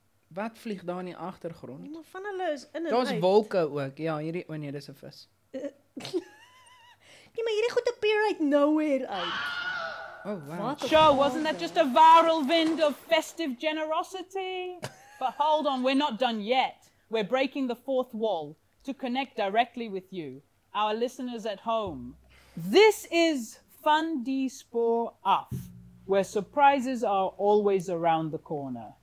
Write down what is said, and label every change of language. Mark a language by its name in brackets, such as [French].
[Afrikaans] Wat vlieg daar in die agtergrond? Nee, maar van hulle is in en uit. Daar's wolke ook. Ja, hierdie, o nee, dis 'n vis. Nee, maar hierdie goed appear uit nowhere uit. [English] Oh, wow. Sure, wasn't that just a viral wind of festive generosity? But hold on, we're not done yet. We're breaking the fourth wall to connect directly with you, our listeners at home. This is Fun Die Spoor Af, where surprises are always around the corner.